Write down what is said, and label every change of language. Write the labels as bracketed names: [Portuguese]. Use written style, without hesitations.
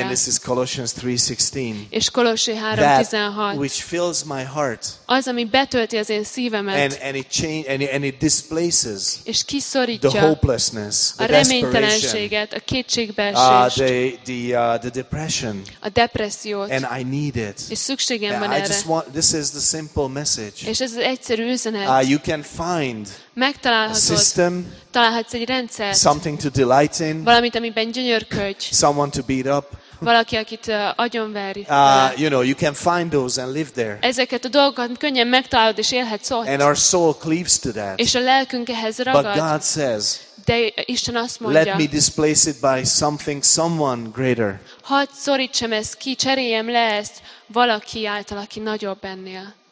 [English] And this is Colossians 3:16. [Hungarian] És Kolossé 3:16. [English] That which fills my heart. [Hungarian] Az, ami betölti az én szívemet. [English] And it displaces. [Hungarian] És kiszorítja. [English] The hopelessness. [Hungarian] A reménytelenséget, a kétségbeesést. [English] The depression. [Hungarian] A depressziót. [English] And I need it. [Hungarian] És szükségem van erre. [English] I just want, this is the simple message. [Hungarian] És ez az egyszerű üzenet. [English] You can find [Hungarian] megtalálhatod, [English] a system, [Hungarian] találhatsz egy rendszert, [English] something to delight in, [Hungarian] valamit, amiben gyönyörködj, [English] someone to beat up, [Hungarian] valaki, akit agyonveri. [English] You know, you can find those and live there. [Hungarian] Ezeket a dolgokat könnyen megtalálod és élhetsz ott. [English] And our soul cleaves to that. [Hungarian] És a lelkünk ehhez ragad. [English] But God says, [Hungarian] de Isten azt mondja, [English] let me displace it by something, someone greater. [Hungarian] Hadd szorítsam ezt ki, cseréljem le ezt valaki által, aki nagyobb ennél.